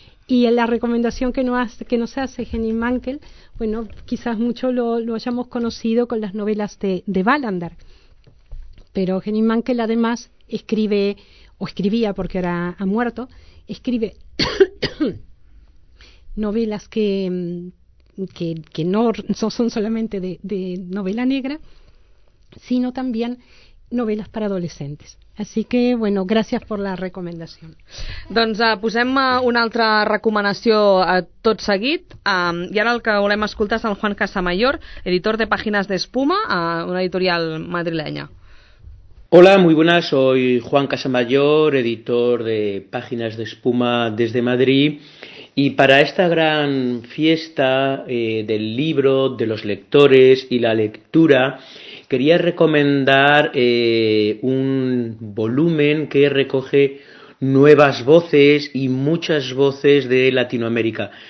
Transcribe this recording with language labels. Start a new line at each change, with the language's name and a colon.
Spanish: Y la recomendación que nos hace Jenny Mankell, bueno, quizás mucho lo hayamos conocido con las novelas de Wallander, pero Jenny Mankell además escribe, o escribía porque ahora ha muerto, escribe novelas que no son solamente de novela negra, sino también novelas para adolescentes. Así que, bueno,
Catalan: gràcies per la recomanació. Doncs posem una altra recomanació tot seguit. I ara el que volem escoltar és el Juan Casamayor, editor de Pàgines d'Espuma, una editorial madrilenya.
Spanish: Hola, muy buenas. Soy Juan Casamayor, editor de Páginas de Espuma desde Madrid. Y para esta gran fiesta del libro, de los lectores y la lectura, quería recomendar un volumen que recoge nuevas voces y muchas voces de Latinoamérica.